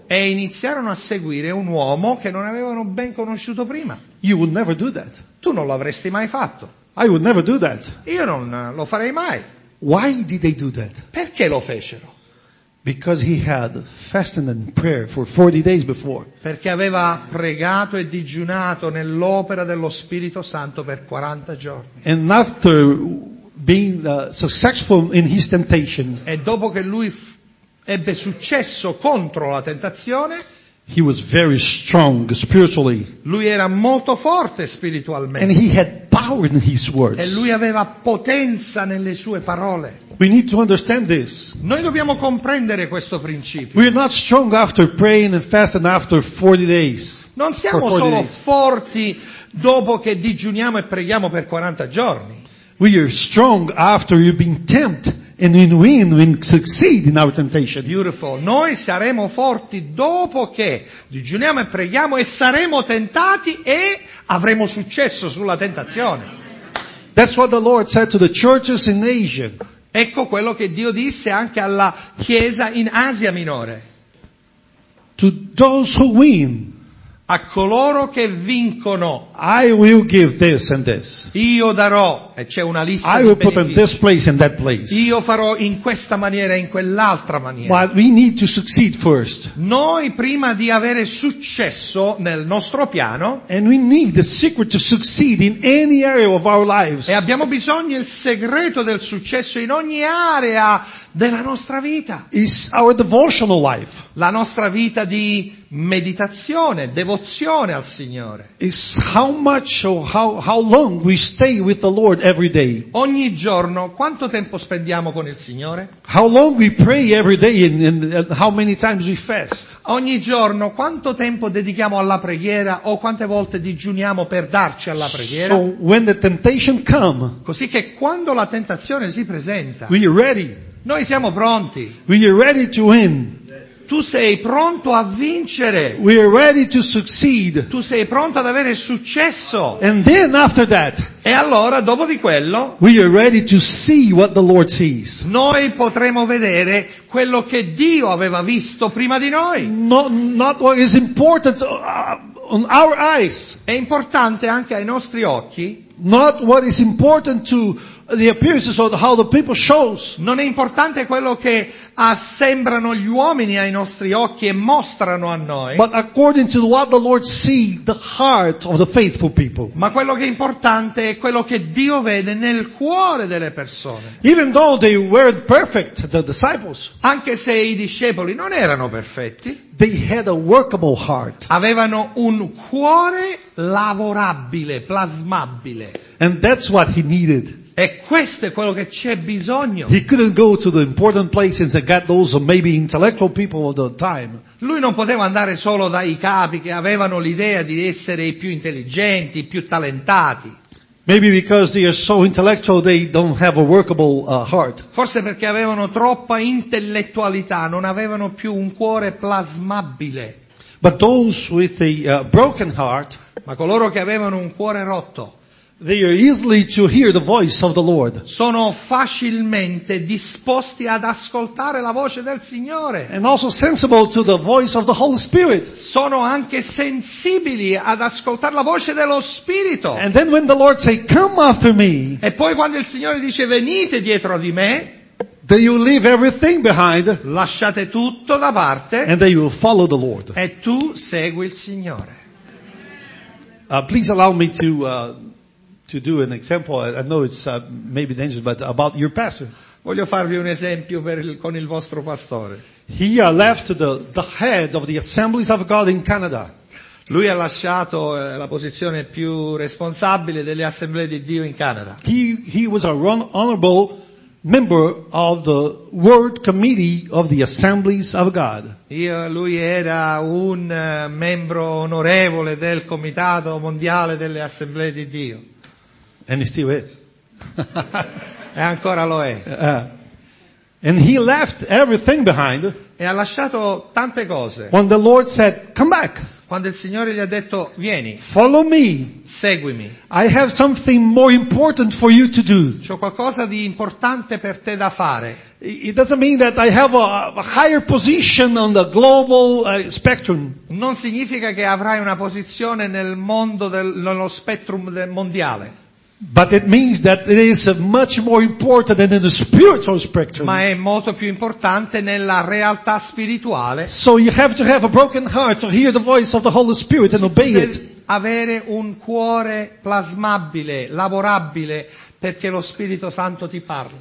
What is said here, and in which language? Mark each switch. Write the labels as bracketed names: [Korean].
[Italian] E iniziarono a seguire un uomo che non avevano ben conosciuto prima. [English] You would never do that. [Italian] Tu non l'avresti mai fatto. [English] I would never do that. [Italian] Io non lo farei mai. [English] Why did they do that? [Italian] Perché lo fecero? [English] Because he had fasted and prayed for 40 days before. [Italian] Perché aveva pregato e digiunato nell'opera dello Spirito Santo per 40 giorni. [English] And after being successful in his temptation. [Italian] E dopo che lui ebbe successo contro la tentazione. [English] He was very strong spiritually. [Italian] Lui era molto forte spiritualmente. [English] And he had power in his words. [Italian] E lui aveva potenza nelle sue parole. [English] We need to understand this. [Italian] Noi dobbiamo comprendere questo principio. [English] We are not strong after praying and fasting after 40 days. [Italian] Non siamo solo forti dopo che digiuniamo e preghiamo per 40 giorni. [English] We are strong after you've been tempted. And we win, we succeed in our temptation. Beautiful. [Italian] Noi saremo forti dopo che digiuniamo e preghiamo e saremo tentati e avremo successo sulla tentazione. [English] That's what the Lord said to the churches in Asia. [Italian] Ecco quello che Dio disse anche alla chiesa in Asia Minore. [English] To those who win. [Italian] A coloro che vincono. [English] I will give this and this. [Italian] Io darò, e c'è una lista di benefici. [English] I will put in this place and that place. [Italian] Io farò in questa maniera e in quell'altra maniera. [English] But we need to succeed first. [Italian] Noi prima di avere successo nel nostro piano. [English] And we need the secret to succeed in any area of our lives. [Italian] E abbiamo bisogno il segreto del successo in ogni area della nostra vita. [English] Is our devotional life. [Italian] La nostra vita di meditazione, devozione al Signore. [English] It's how much or how long we stay with the Lord every day. [Italian] Ogni giorno, quanto tempo spendiamo con il Signore? [English] How long we pray every day and how many times we fast. [Italian] Ogni giorno, quanto tempo dedichiamo alla preghiera o quante volte digiuniamo per darci alla preghiera? [English] So when the temptation come, [Italian] così che quando la tentazione si presenta, [English] we are ready. [Italian] Noi siamo pronti. [English] We are ready to win. [Italian] Tu sei pronto a vincere. [English] We are ready to succeed. [Italian] Tu sei pronto ad avere successo. [English] And then after that. [Italian] E allora, dopo di quello. [English] We are ready to see what the Lord sees. [Italian] Noi potremo vedere quello che Dio aveva visto prima di noi. [English] Not what is important on our eyes. [Italian] È importante anche ai nostri occhi. [English] Not what is important to the appearances or how the people shows. [Italian] Non è importante quello che assembrano gli uomini ai nostri occhi e mostrano a noi. [English] But according to what the Lord see, the heart of the faithful people. [Italian] Ma quello che è importante è quello che Dio vede nel cuore delle persone. [English] Even though they weren't perfect, the disciples. [Italian] Anche se i discepoli non erano perfetti. [English] They had a workable heart. [Italian] Avevano un cuore lavorabile, plasmabile. [English] And that's what he needed. [Italian] E questo è quello che c'è bisogno. [English] He couldn't go to the important places and get those maybe intellectual people of the time. [Italian] Lui non poteva andare solo dai capi che avevano l'idea di essere i più intelligenti, i più talentati. [English] Maybe because they are so intellectual they don't have a workable heart. [Italian] Forse perché avevano troppa intellettualità, non avevano più un cuore plasmabile. [English] But those with a broken heart, [Italian] ma coloro che avevano un cuore rotto, [English] they are easily to hear the voice of the Lord. [Italian] Sono facilmente disposti ad ascoltare la voce del Signore. [English] And also sensible to the voice of the Holy Spirit. [Italian] Sono anche sensibili ad ascoltare la voce dello Spirito. [English] And then when the Lord say, "Come after me," [Italian] e poi quando il Signore dice venite dietro di me, [English] then you leave everything behind. [Italian] Lasciate tutto da parte. [English] And then you follow the Lord. [Italian] E tu segui il Signore. [English] Please allow me to do an example. I know it's maybe dangerous, but about your pastor. [Italian] Voglio farvi un esempio per il, con il vostro pastore. [English] He left the head of the Assemblies of God in Canada. [Italian] Lui ha lasciato la posizione più responsabile delle Assemblee di Dio in Canada. [English] He was a honorable member of the World Committee of the Assemblies of God. [Italian] Lui era un membro onorevole del Comitato Mondiale delle Assemblee di Dio. [English] And he still is. [Italian] E ancora lo è. [English] And he left everything behind. [Italian] E ha lasciato tante cose. [English] When the Lord said, "Come back." [Italian] Quando il Signore gli ha detto, "Vieni." [English] Follow me. [Italian] Seguimi. [English] I have something more important for you to do. [Italian] C'ho qualcosa di importante per te da fare. [English] It doesn't mean that I have a higher position on the global spectrum. [Italian] Non significa che avrai una posizione nel mondo nello spectrum mondiale. [English] But it means that it is much more important than in the spiritual spectrum. [Italian] Ma è molto più importante nella realtà spirituale. [English] So you have to have a broken heart to hear the voice of the Holy Spirit and obey it. [Italian] Avere un cuore plasmabile, lavorabile, perché lo Spirito Santo ti parla.